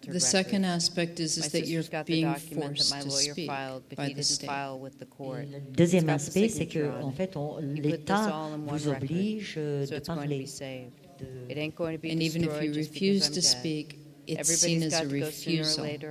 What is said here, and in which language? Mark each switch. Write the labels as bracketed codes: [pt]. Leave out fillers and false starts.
[en] The second aspect is that you're being forced to speak by the state. [fr] Le deuxième aspect, c'est que en fait, l'État vous oblige de parler. [en] And even if you refuse to speak, it's seen as a refusal.